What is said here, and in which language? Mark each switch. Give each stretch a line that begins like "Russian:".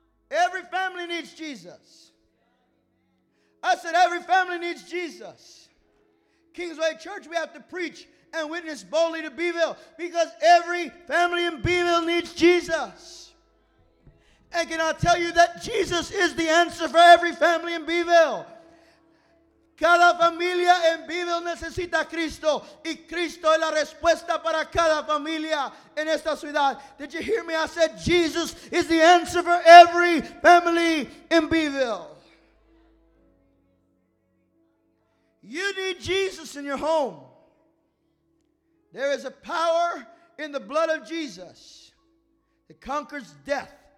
English: Every family needs Jesus. I said every family needs Jesus. Kingsway Church, we have to preach and witness boldly to Beeville, because every family in Beeville needs Jesus. And can I tell you that Jesus is the answer for every family in Beeville?
Spanish: Cada familia en Beeville necesita Cristo, y Cristo es la respuesta para cada familia en esta ciudad.
English: Did you hear me? I said Jesus is the answer for every family in Beeville. You need Jesus in your home. There is a power in the blood of Jesus that conquers death.